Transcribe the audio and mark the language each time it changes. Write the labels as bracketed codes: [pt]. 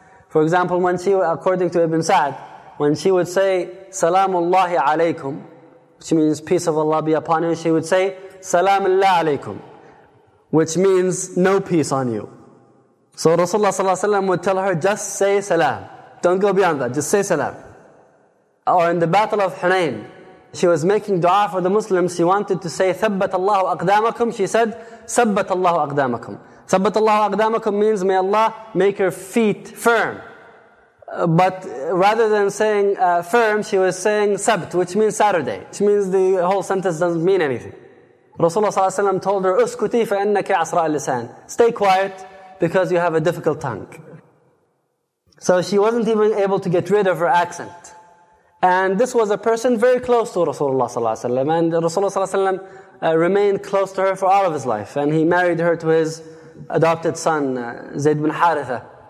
[en] For example, when she, according to Ibn Sa'd, when she would say, Salamullahi alaykum, which means peace of Allah be upon you, she would say, Salamullah alaykum, which means no peace on you. So Rasulullah ﷺ would tell her, just say salam. Don't go beyond that, just say salam. Or in the Battle of Hunayn, she was making dua for the Muslims. She wanted to say, [ar] ثبت الله أقدامكم. [en] She said, [ar] ثبت الله أقدامكم. ثبت الله أقدامكم [en] means, may Allah make your feet firm. But rather than saying firm, she was saying سبت, which means Saturday. Which means the whole sentence doesn't mean anything. Rasulullah ﷺ told her, [ar] أسكتي فإنك عصراء اللسان. [en] Stay quiet because you have a difficult tongue. So she wasn't even able to get rid of her accent. And this was a person very close to Rasulullah ﷺ, and Rasulullah ﷺ remained close to her for all of his life. And he married her to his adopted son, Zayd bin Haritha.